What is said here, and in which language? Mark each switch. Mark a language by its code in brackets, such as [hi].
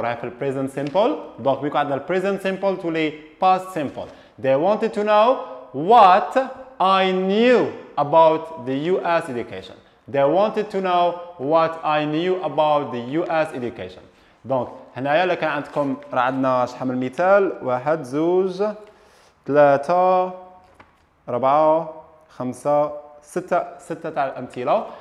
[ar] راه في present simple. دونك بيكون عندنا present simple تولي past simple. [en] They wanted to know what I knew about the US education. They wanted to know what I knew about the US education. [ar] دونك هنايا لك عندكم راه عندنا شحال من مثال. واحد زوج ثلاثة أربعة خمسة ستة تاع الأمثلة.